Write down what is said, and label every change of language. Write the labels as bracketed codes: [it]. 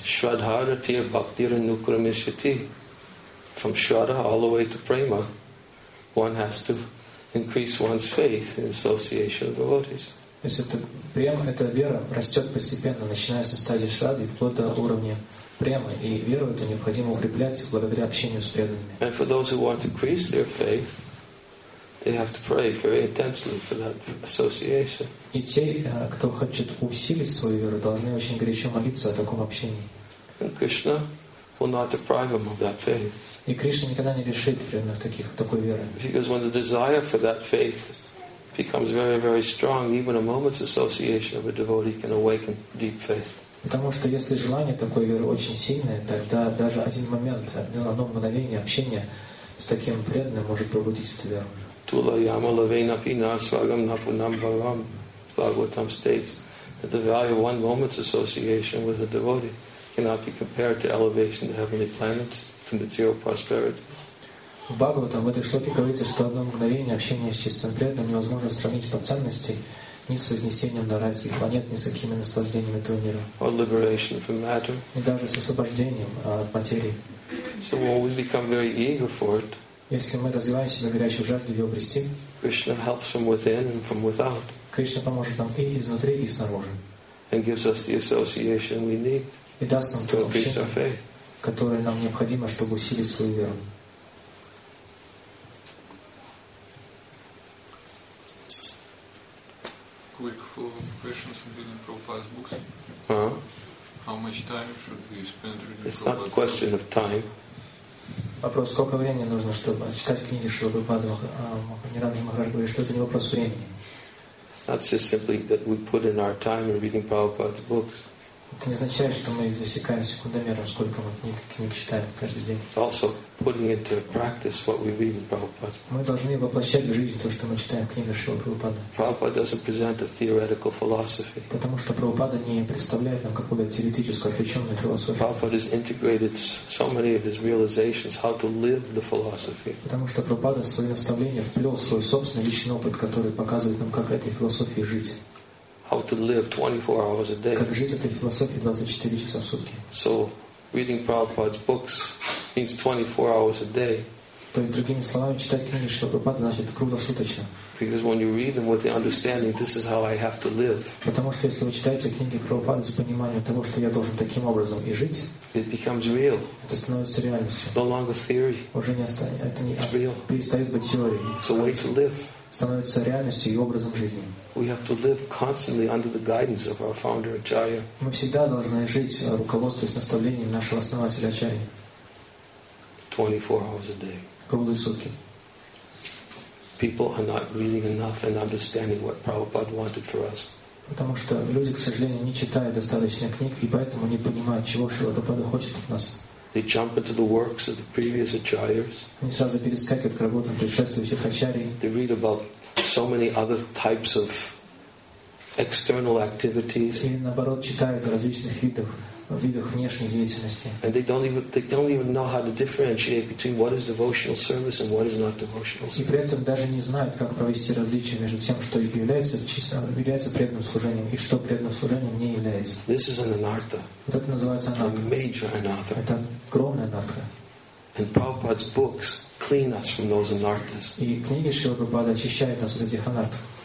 [sa] Shraddha tir bhaktir nukramishyati. [en] From shraddha all the way to prema, one has to increase one's faith in association of devotees. [ru] То есть это према, эта вера растет постепенно, начиная со стадии шрады, вплоть до уровня премы, и веру эту необходимо укреплять благодаря общению с преданными. [en] And for those who want to increase their faith, they have to pray very intensely for that association. [ru] И те, кто хочет усилить свою веру, должны очень горячо молиться о таком общении. [en] And Krishna will not deprive them of that faith. [ru] И Кришна никогда не лишит преданных такой веры. [en] Because when the desire for that faith becomes very, very strong, even a moment's association of a devotee can awaken deep faith. [ru] Потому что если желание такой веры очень сильное, тогда даже один момент, одно мгновение общения с таким преданным может пробудить эту веру. [sa] Tula yama lavena kina swagam napunam bhavam. [en] Bhagavatam states that the value of one moment's association with a devotee cannot be compared to elevation to heavenly planets, to material prosperity. [ru] В Бхагаватам в этой шлоке говорится, что одно мгновение общения с чистым преданным невозможно сравнить по ценности ни с вознесением до райских планет, ни с какими наслаждениями этого мира. [en] Or liberation from matter. [ru] И даже с освобождением от материи. [en] So when we become very eager for it, [ru] если мы развиваем себя горячую жажду ее обрести, [en] Krishna helps from within and from without. [ru] Кришна поможет нам и изнутри, и снаружи. [en] And gives us the association we need. [ru] И даст нам то общение, которое нам необходимо, чтобы усилить свою веру. [en] Quick questions from Prabhupada's books. How much time should we spend reading? [ru] Вопрос, сколько времени нужно, чтобы читать книги Шрилы Прабхупады Махараджа говорит, что это не вопрос времени. [en] It's not just simply that we put in our time in reading Prabhupada's books. [ru] Это не означает, что мы засекаем секундомером, сколько мы книг, книг читаем каждый день. [en] Also putting into practice what we read in Prabhupada. [ru] Мы должны воплощать в жизнь то, что мы читаем в книгах Шрилы Прабхупады. [en] Prabhupada doesn't present a theoretical philosophy. [ru] Потому что Прабхупада не представляет нам какую-то теоретическую отвлеченную философию. [en] Prabhupada has integrated so many of his realizations how to live the philosophy. [ru] Потому что Прабхупада в свои наставления вплел свой собственный личный опыт, который показывает нам, как этой философией жить. [en] How to live 24 hours a day. [ru] Как жить этой философией 24 часа в сутки. [en] So, reading Prabhupada's books means 24 hours a day. [ru] То есть другими словами, читать книги Шрилы Прабхупады значит круглосуточно. [en] Because when you read them with the understanding, this is how I have to live. [ru] Потому что если вы читаете книги Прабхупады с пониманием того, что я должен таким образом и жить, [en] it becomes real. [ru] Это становится реальностью. [en] It's no longer theory. [ru] Уже не останется. Это не real. Перестает быть теорией. [en] It's a way to live. [ru] Становится реальностью и образом жизни. [en] We have to live constantly under the guidance of our founder Acharya. [ru] Мы всегда должны жить руководствуясь наставлением нашего основателя Ачарьи. [en] 24 hours a day. [ru] Круглые сутки. [en] People are not reading enough and understanding what Prabhupada wanted for us. [ru] Потому что люди, к сожалению, не читают достаточно книг и поэтому не понимают, чего Шрила Прабхупада хочет от нас. [en] They jump into the works of the previous Acharyas. [ru] Они сразу перескакивают к работам предшествующих Ачарий. [en] They read about so many other types of external activities. [ru] И наоборот читают о различных видах внешней деятельности. [en] And they don't even know how to differentiate between what is devotional service and what is not devotional service. [ru] И при этом даже не знают, как провести различие между тем, что является преданным служением, и что преданным служением не является. [en] This is an anartha. [ru] Вот это называется анартха. [en] A major anartha. [ru] Это огромная анартха. [en] And Prabhupada's books clean us from those anarthas. [ru] И книги Шрилы Прабхупады очищают нас от этих анартх.